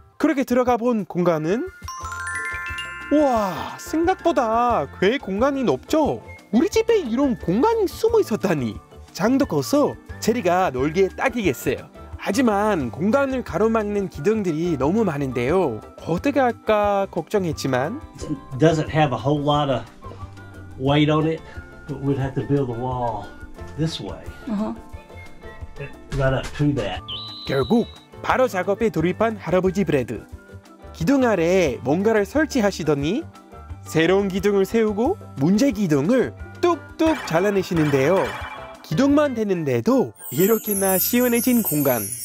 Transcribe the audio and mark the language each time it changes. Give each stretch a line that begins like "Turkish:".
Korean: 그렇게 들어가 본 공간은 우와, 생각보다 꽤 공간이 높죠? 우리 집에 이런 공간이 숨어 있었다니. 장도 커서 체리가 놀기에 딱이겠어요. 하지만 공간을 가로막는 기둥들이 너무 많은데요. 어떻게 할까 걱정했지만
English: doesn't have a whole lot of weight on it, but we'd have to build a wall this way. Right up to that.
Korean: 결국 바로 작업에 돌입한 할아버지 브래드. 기둥 아래에 뭔가를 설치하시더니 새로운 기둥을 세우고 문제 기둥을 뚝뚝 잘라내시는데요. 기둥만 되는데도 이렇게나 시원해진 공간.